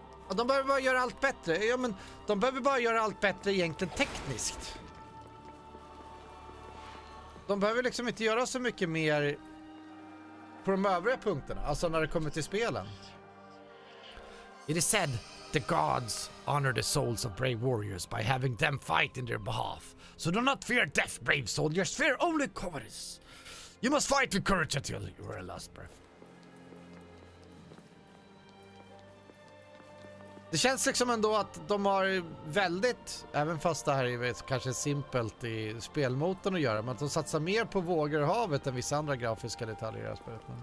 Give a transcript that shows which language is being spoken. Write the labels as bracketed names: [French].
[Swedish] De behöver bara göra allt bättre. Ja, men de behöver bara göra allt bättre egentligen tekniskt. De behöver liksom inte göra så mycket mer på de övriga punkterna, alltså när det kommer till spelen. [English] It is said the gods honor the souls of brave warriors by having them fight in their behalf. So do not fear death, brave soldiers, fear only cowardice. You must fight with courage until your last breath. [Swedish] Det känns liksom ändå att de har väldigt, även fast det här är kanske simpelt i spelmotorn att göra, men att de satsar mer på vågor i havet än vissa andra grafiska detaljer i spelet.